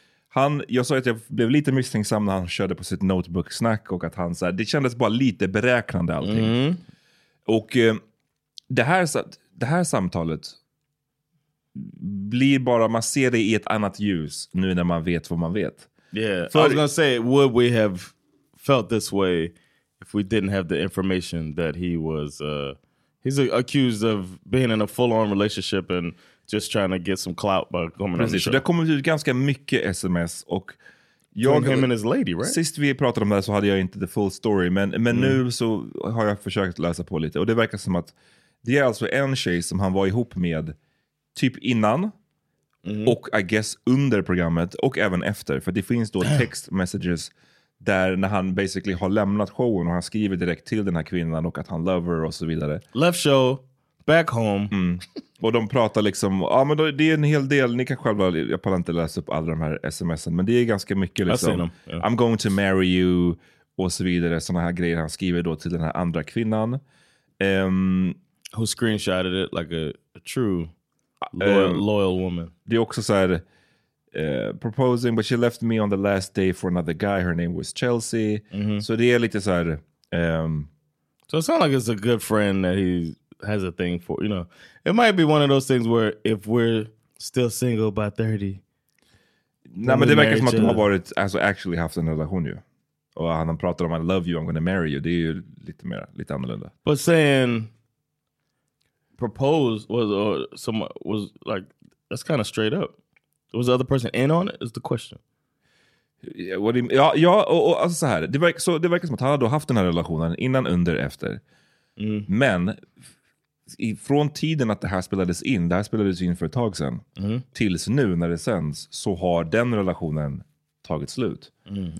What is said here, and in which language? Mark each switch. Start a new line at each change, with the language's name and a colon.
Swedish: Han, jag sa att jag blev lite misstänksam när han körde på sitt notebook-snack och att han så här, det kändes bara lite beräknande allting. Mm. Och det här samtalet blir bara, man ser det i ett annat ljus nu när man vet vad man vet.
English: Yeah,
Swedish: för,
English: I was gonna say, would we have felt this way if we didn't have the information that he was he's accused of being in a full-on relationship and just trying to get some clout by coming
Swedish: precis,
English: on the
Swedish: show. Det har kommit ut ganska mycket sms och jag,
English: him and his lady, right?
Swedish: Sist vi pratade om det så hade jag inte
English: the full story,
Swedish: men nu så har jag försökt läsa på lite och det verkar som att det är alltså en tjej som han var ihop med typ innan och
English: I guess
Swedish: under programmet och även efter, för det finns då
English: text messages
Swedish: där när han
English: basically
Swedish: har lämnat showen och han skriver direkt till den här kvinnan och att han
English: love her
Swedish: och så vidare.
English: Left show, back home. Mm.
Swedish: Och de pratar liksom, ja, men då, det är en hel del, ni kan själva, jag pallar inte läsa upp alla de här sms'en, men det är ganska mycket liksom,
English: I'm going to marry you
Swedish: och så vidare, såna här grejer han skriver då till den här andra kvinnan.
English: Who screenshotted it like a true loyal woman. Det är också så här, proposing, but she left me on the last day for another guy. Her name was Chelsea.
Swedish: Mm-hmm. Så det är lite så här,
English: so it sounds like it's a good friend that he has a thing for, you know. It might be one of those things where if we're still single by 30.
Swedish: Nej, men det verkar som att de har varit, alltså
English: actually
Swedish: haft en relation ju. Och han pratar om
English: I love you, I'm gonna marry you.
Swedish: Det är ju lite mer, lite annorlunda.
English: But saying proposed was or someone was like, that's kind of straight up. Was the other person in on it? Is the question? Yeah, what do you mean?
Swedish: Ja, ja, och alltså så här. Det verkar som att han hade haft den här relationen innan, under, efter. Mm. Men från tiden att det här spelades in för ett tag sedan tills nu när det sänds, så har den relationen tagit slut. Mm.